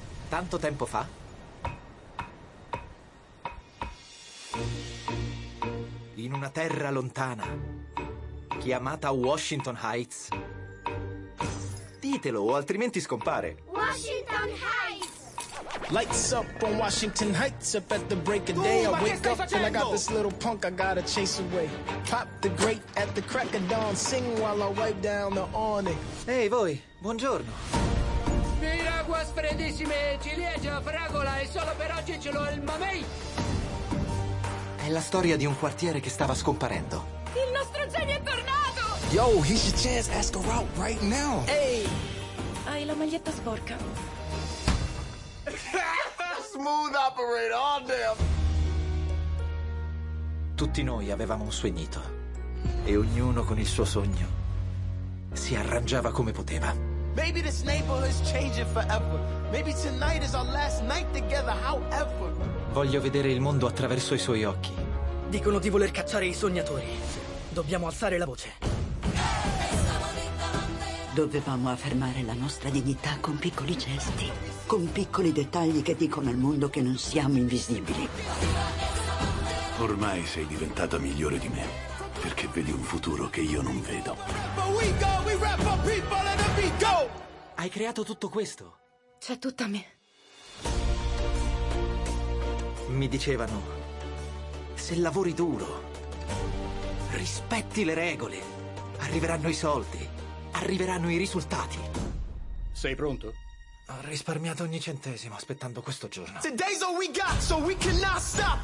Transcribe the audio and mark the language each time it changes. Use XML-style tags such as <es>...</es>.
<it>Tanto tempo fa? In una terra lontana, chiamata Washington Heights. Ditelo o altrimenti scompare. Washington Heights!</it> <en>Lights up on Washington Heights, up at the break of day. Ooh, I wake up and I got this little punk I gotta chase away. Pop the grate at the crack of dawn, sing while I wipe down the awning.</en> <it>Hey, voi, buongiorno. Mille acqua spredissime, ciliegia, fragola, e solo per oggi ce l'ho il mamei. È la storia di un quartiere che stava scomparendo. Il nostro genio è tornato!</it> <en>Yo, here's your chance, ask her out right now. Hey!</en> <it>Hai la maglietta sporca.</it> <en>Smooth operator, oh damn!</en> <it>Tutti noi avevamo un sognito. E ognuno con il suo sogno si arrangiava come poteva.</it> <en>Maybe this neighborhood's changing forever. Maybe tonight is our last night together, however.</en> <it>Voglio vedere il mondo attraverso i suoi occhi. Dicono di voler cacciare i sognatori. Dobbiamo alzare la voce. Dovevamo affermare la nostra dignità con piccoli gesti, con piccoli dettagli che dicono al mondo che non siamo invisibili. Ormai sei diventata migliore di me, perché vedi un futuro che io non vedo. Hai creato tutto questo? C'è tutta me. Mi dicevano, se lavori duro, rispetti le regole, arriveranno i soldi, arriveranno i risultati. Sei pronto? Ho risparmiato ogni centesimo aspettando questo giorno.</it> <en>Today's all we got, so we cannot stop.</en>